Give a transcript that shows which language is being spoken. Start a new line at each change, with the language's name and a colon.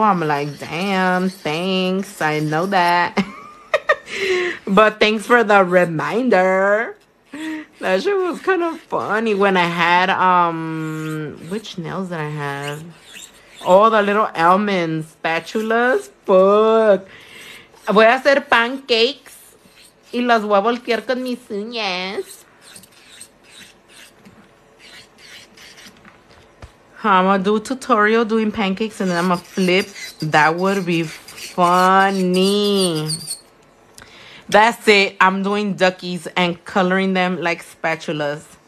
English: I'm like, damn, thanks. I know that. But thanks for the reminder. That shit was kind of funny when I had, which nails did I have? Oh, the little almond spatulas. Fuck.
Spanish: Voy a hacer pancakes y las voy a voltear con mis uñas.
English: I'm gonna do a tutorial doing pancakes and then I'm gonna flip. That would be funny. That's it. I'm doing duckies and coloring them like spatulas.